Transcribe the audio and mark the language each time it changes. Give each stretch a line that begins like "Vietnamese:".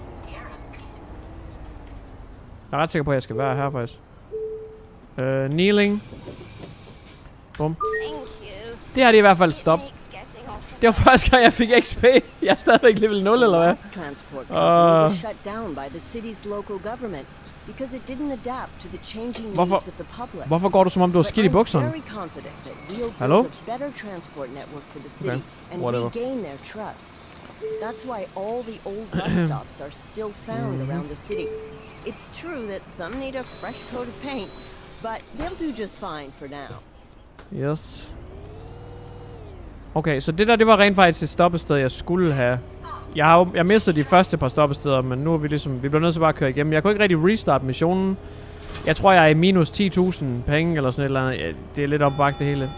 Danish: Jeg er ret sikker på, at jeg skal være her, faktisk. Kneeling. Bum. Det her er i hvert fald stop. Det var første gang, jeg fik XP. Jeg er stadigvæk level 0, eller hvad?
English: Because it didn't adapt to the changing needs of the public.
Danish: Hvorfor går du som om du har skidt i bukserne? Hallo?
English: Better transport network for the city and regain their trust. That's why all the old bus stops are still found around the city. It's true that some need a fresh coat of paint, but they'll do just fine for now. Yes.
Danish: Okay, så det der det var rent faktisk et stoppested jeg skulle have. Jeg mistede de første par stoppesteder, men nu er vi ligesom... Vi bliver nødt til bare at køre igennem. Jeg kunne ikke rigtig restart missionen. Jeg tror, jeg er i minus 10.000 penge eller sådan et eller andet. Ja, det er lidt opbakket det hele.